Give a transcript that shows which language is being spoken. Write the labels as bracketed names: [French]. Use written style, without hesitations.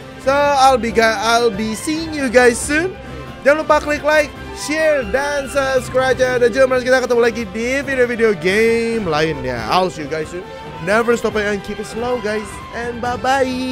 [English] So, I'll be seeing you guys soon. [Indonesian] Jangan lupa klik like, share, dan subscribe. Dan juga kita ketemu lagi di video-video game lainnya. [English] I'll see you guys soon. Never stop and keep it slow, guys. And bye-bye.